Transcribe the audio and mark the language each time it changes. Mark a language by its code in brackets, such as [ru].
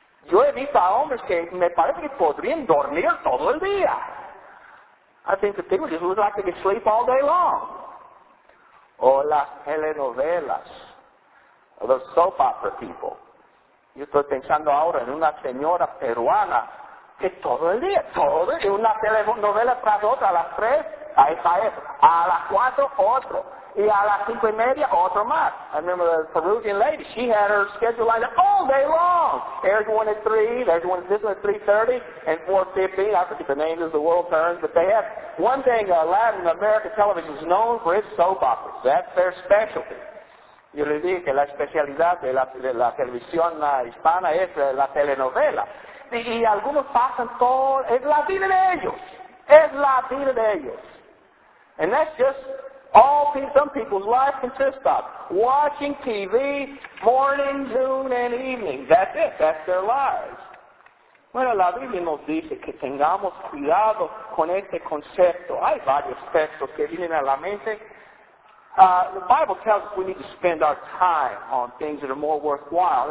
[es] Yo he visto a hombres que me parece que podrían dormir todo el día. [en] I think that they would just look like they could sleep all day long. [es] O las telenovelas, [en] or those soap opera people. [es] Yo estoy pensando ahora en una señora peruana que todo el día, una telenovela tras otra, a las 3, A esa es. A las cuatro, otro. Y a las cinco y media, otro más. [en] I remember the Peruvian lady. She had her schedule lined up all day long. There's one at 3, there's one at this one at 3:30, and 4:15. I forget the names as the world turns. But they have one thing, Latin America television is known for its soap operas. That's their specialty. [es] Yo le dije que la especialidad de la televisión hispana es la telenovela. Y algunos pasan todo, es la vida de ellos. Es la vida de ellos. [en] And that's just all some people's life consists of. Watching TV morning, noon, and evening. That's it. That's their lives. [es] Bueno, la Biblia nos dice que tengamos cuidado con este concepto. Hay varios textos que vienen a la mente. [en] The Bible tells us we need to spend our time on things that are more worthwhile.